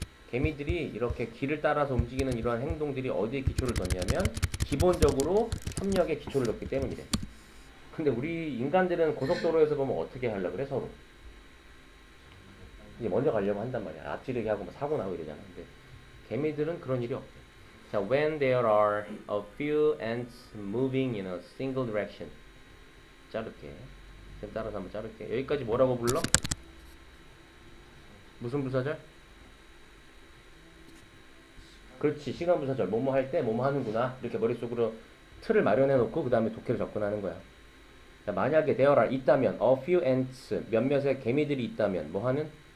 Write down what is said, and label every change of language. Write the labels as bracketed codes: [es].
[ko] 개미들이 이렇게 길을 따라서 움직이는 이러한 행동들이 어디에 기초를 뒀냐면 기본적으로 협력에 기초를 뒀기 때문이래. 근데 우리 인간들은 고속도로에서 보면 어떻게 하려고 그래, 서로? 이제 먼저 가려고 한단 말이야. 앞지르기 하고 막 사고 나고 이러잖아. 근데 개미들은 그런 일이 없대. [en] 자, when there are a few ants moving in a single direction. [ko] 자를게. 지금 따라서 한번 자를게. 여기까지 뭐라고 불러? 무슨 부사절? 그렇지. 시간 부사절. 뭐뭐 할때 뭐뭐 하는구나. 이렇게 머릿속으로 틀을 마련해 놓고 그 다음에 독해로 접근하는 거야. 자, 만약에 [en] there are [ko] 있다면 [en] a few ants [ko] 몇몇의 개미들이 있다면 뭐 하는?